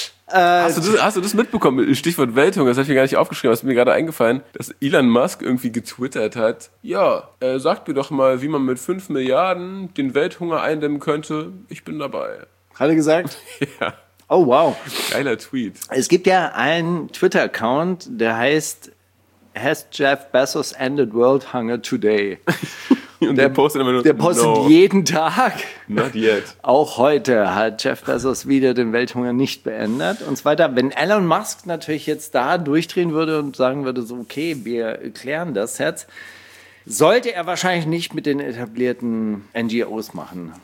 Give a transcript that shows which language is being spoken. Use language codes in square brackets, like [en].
[de] Hast du das mitbekommen? Stichwort Welthunger, das habe ich mir gar nicht aufgeschrieben. Das ist mir gerade eingefallen, dass Elon Musk irgendwie getwittert hat. Ja, sagt mir doch mal, wie man mit 5 Milliarden den Welthunger eindämmen könnte. Ich bin dabei. Hat er gesagt? Ja. Oh, wow. Geiler Tweet. Es gibt ja einen Twitter-Account, der heißt... [en] Has Jeff Bezos ended world hunger today? [de] Und der postet immer nur, der postet [en] no. [de] jeden Tag. [en] Not yet. [de] Auch heute hat Jeff Bezos wieder den Welthunger nicht beendet. Und zweiter, wenn Elon Musk natürlich jetzt da durchdrehen würde und sagen würde, so okay, wir klären das jetzt, sollte er wahrscheinlich nicht mit den etablierten NGOs machen.